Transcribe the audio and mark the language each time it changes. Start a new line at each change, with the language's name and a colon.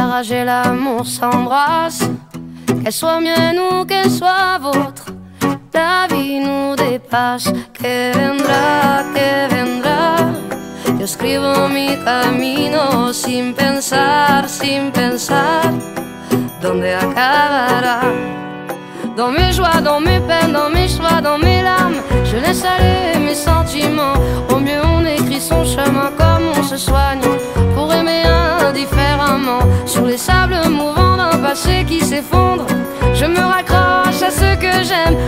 French: Et l'amour s'embrasse, qu'elle soit mienne ou qu'elle soit vôtre, la vie nous dépasse.
Spanish: Que vendrá, que vendrá. Yo escribo mi camino sin pensar, sin pensar dónde acabará.
French: Dans mes joies, dans mes peines, dans mes choix, dans mes larmes, je laisse aller mes sentiments. Au mieux on écrit son chemin comme on se soigne pour aimer indifféremment. Sur les sables mouvants d'un passé qui s'effondre, je me raccroche à ce que j'aime.